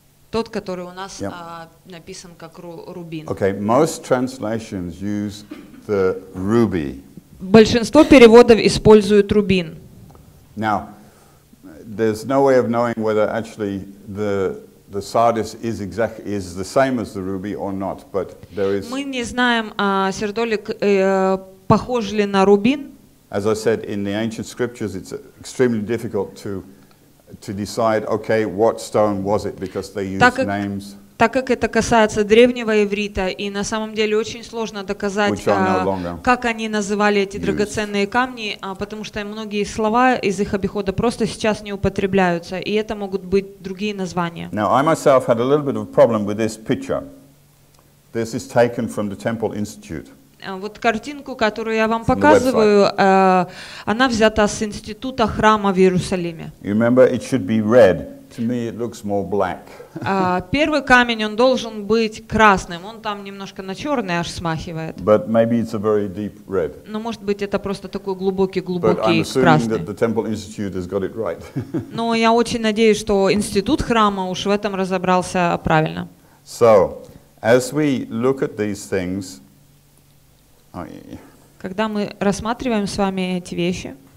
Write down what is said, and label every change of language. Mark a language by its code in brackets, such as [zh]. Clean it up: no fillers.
[ru] Тот, который у нас написан как рубин. [en] Okay, most translations use the ruby. [ru] Большинство переводов используют рубин. [en] Now, there's no way of knowing whether actually the sardis is the same as the ruby or not, but there is. [ru] Мы не знаем, сердолик похож ли на рубин. [en] As I said, in the ancient scriptures, it's extremely difficult to decide, okay, what stone was it, because they used names. [ru] Так как это касается древнего иврита, и на самом деле очень сложно доказать, как они называли эти драгоценные камни, потому что многие слова из их обихода просто сейчас не употребляются, и это могут быть другие названия. [en] Now, I myself had a little bit of a problem with this picture. This is taken from the Temple Institute. [ru] Вот картинку, которую я вам показываю, она взята с института храма в Иерусалиме. [en] You remember, it should be red. To me, it looks more black. [ru] Первый камень он должен быть красным. Он там немножко на черный аж смахивает. [en] But maybe it's a very deep red. [ru] Но может быть это просто такой глубокий красный. [en] But I'm assuming that the Temple Institute has got it right. [ru] Но я очень надеюсь, что институт храма уж в этом разобрался правильно. [en] So, as we look at these things, [ru] когда мы рассматриваем с вами эти вещи.